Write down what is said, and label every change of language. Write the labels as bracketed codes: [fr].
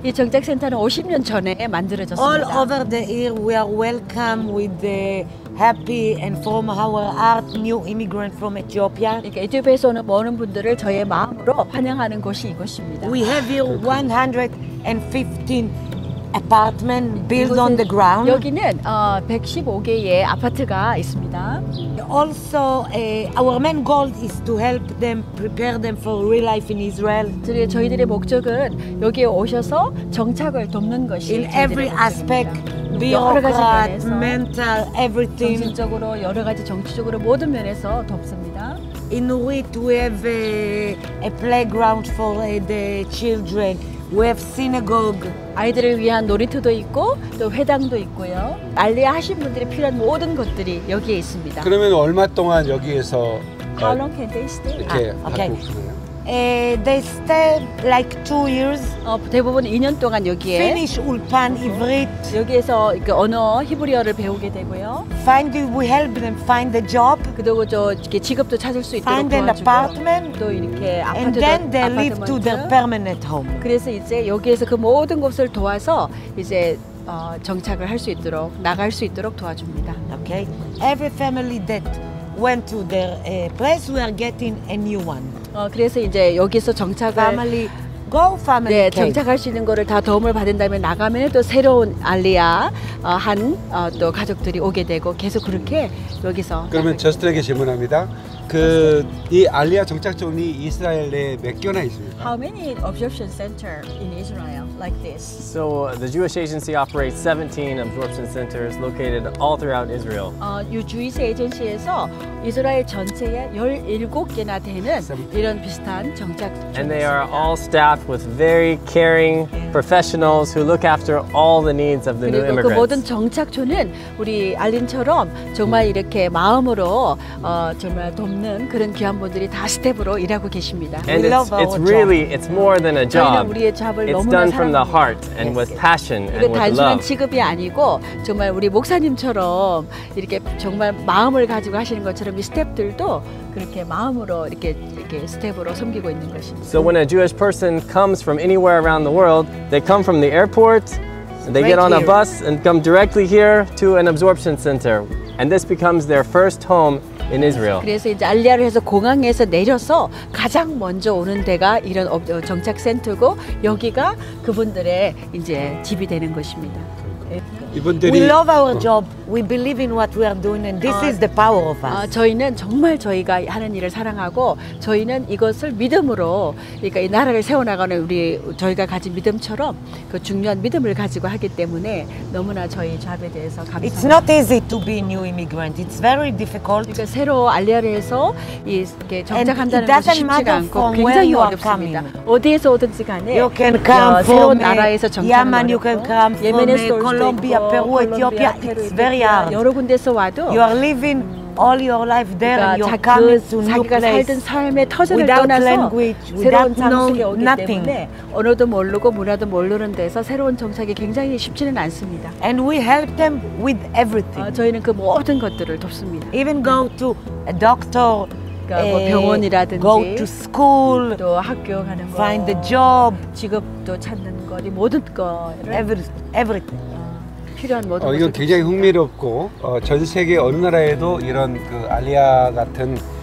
[ko] 이 정착센터는 50년 전에 만들어졌습니다. [en] All over the year we are welcome with the happy and from our heart new immigrant from Ethiopia. [ko] 이렇게 에티오피아에서 오는 분들을 저의 마음으로 환영하는 곳이 이곳입니다. [en] We have here 115 apartment built on the ground. [ko] 여기는 115개의 아파트가 있습니다. [en] Also, our main goal is to help them prepare them for real life in Israel. [ko] 저희들의 목적은 여기에 오셔서 정착을 돕는 것이 [en] In every aspect, bureaucrat, mental, everything. [ko] 정신적으로 여러 가지 정치적으로 모든 면에서 돕습니다. [en] In Nurit, we have a playground for the children. We have synagogue. [ko] 아이들을 위한 놀이터도 있고 또 회당도 있고요. 알리아 하신 분들이 필요한 모든 것들이 여기에 있습니다. 그러면 얼마 동안 여기에서 [en] How long can they stay? [ko] 이렇게 하고 있나요? [en] They stay like 2 years. [ko] 대부분 2년 동안 여기에 [en] Finish Ulpan Ivrit. [ko] 여기에서 그 언어 히브리어를 배우게 되고요. [en] Find we help them find the job. [ko] 그리고 저 이렇게 직업도 찾을 수 있도록 [en] Find an apartment. [ko] 또 이렇게 [en] And then they live to their permanent home. [ko] 그래서 이제 여기에서 그 모든 곳을 도와서 이제 정착을 할 수 있도록 나갈 수 있도록 도와줍니다. [en] Okay. Every family that went to their place, we are getting a new one. [ko] 그래서 이제 여기서 정착을 [en] Family go family. [ko] 네, 정착할 수 있는 거를 다 도움을 받은 다음에 나가면 또 새로운 알리아 또 가족들이 오게 되고 계속 그렇게 여기서 그러면 저스트에게 질문합니다. 그 이 알리아 정착촌이 이스라엘에 몇 개나 있습니까? [en] How many absorption centers in Israel like this? So the Jewish agency operates 17 absorption centers located all throughout Israel. [ko] 이 Jewish agency에서 이스라엘 전체에 17개나 되는 이런 비슷한 정착촌. [en] And they are all staffed with very caring professionals who look after all the needs of the new immigrants. [ko] 그리고 그 모든 정착촌은 우리 알린처럼 정말 이렇게 마음으로 정말 없는 그런 귀한 분들이 다 스텝으로 일하고 계십니다. [en] And it's really it's more than a job. [ko] 우리의 잡을 너무 [en] It's done from the heart and with passion and with love. [ko] 단순한 직업이 아니고 정말 우리 목사님처럼 이렇게 정말 마음을 가지고 하시는 것처럼 이 스텝들도 그렇게 마음으로 이렇게 스텝으로 섬기고 있는 것입니다. [en] So when a Jewish person comes from anywhere around the world, they come from the airport, they get on a bus and come directly here to an absorption center, and this becomes their first home. In Israel. [ko] 그래서 이제 알리아를 해서 공항에서 내려서 가장 먼저 오는 데가 이런 정착 센터고 여기가 그분들의 이제 집이 되는 것입니다. 이분들이 [en] We love our job. We believe in what we are doing and this is the power of us. [ko] 저희는 정말 저희가 하는 일을 사랑하고 저희는 이것을 믿음으로 그러니까 이 나라를 세워 나가는 우리 저희가 가진 믿음처럼 그 중요한 믿음을 가지고 하기 때문에 너무나 저희 잡에 대해서 감사합니다. [en] It's not easy to be a new immigrant. It's very difficult. [ko] 그러니까 새로 알리아를 해서 이렇게 정착한다는 것이 쉽지가 않고 굉장히 어렵습니다. 어디에서 오든지 간에 [en] you can come [ko] 새로운 나라에서 정착하는 [en] 거 Yemen, you can come from Colombia, Peru, Ethiopia. It's very hard. [ko] 여러 군데서 와도 [en] you are living all your life there and you're coming to new place. [ko] 살던 삶의 터전을 떠나서 [en] language, [ko] 새로운 장소에 오기 [en] nothing. [ko] 때문에 언어도 모르고 문화도 모르는 데서 새로운 정착이 굉장히 쉽지는 않습니다. [en] And we help them with everything. [ko] 저희는 그 모든 것들을 돕습니다. [en] Even go to a doctor. [ko] 그러니까 뭐 병원이라든지 [en] go to school, [ko] 또 학교 가는 거 [en] find the job, [ko] 직업도 찾는 거리 모든 거 [en] everything. [ko] 필요한 모든 이건 굉장히 있습니다. 흥미롭고 전 세계 어느 나라에도 이런 그 알리아 같은